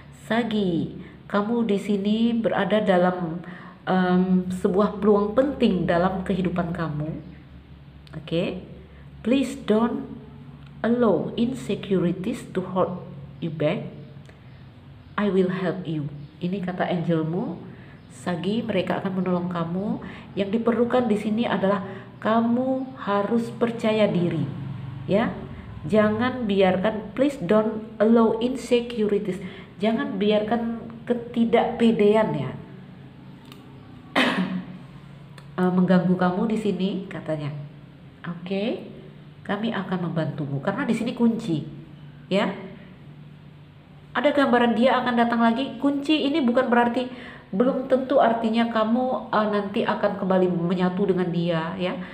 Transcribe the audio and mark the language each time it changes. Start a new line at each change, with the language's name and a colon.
Indonesian: Sagi, kamu di sini berada dalam sebuah peluang penting dalam kehidupan kamu. Oke, okay.
English: Please don't allow insecurities to hold you back. I will help you.
Indonesian: Ini kata angelmu. Sagi, mereka akan menolong kamu. Yang diperlukan di sini adalah kamu harus percaya diri, ya. Jangan biarkan,
English: please don't allow insecurities.
Indonesian: Jangan biarkan ketidakpedean ya mengganggu kamu di sini, katanya. Oke, kami akan membantumu karena di sini kunci, ya. Ada gambaran dia akan datang lagi. Kunci ini bukan berarti, belum tentu artinya kamu nanti akan kembali menyatu dengan dia, ya.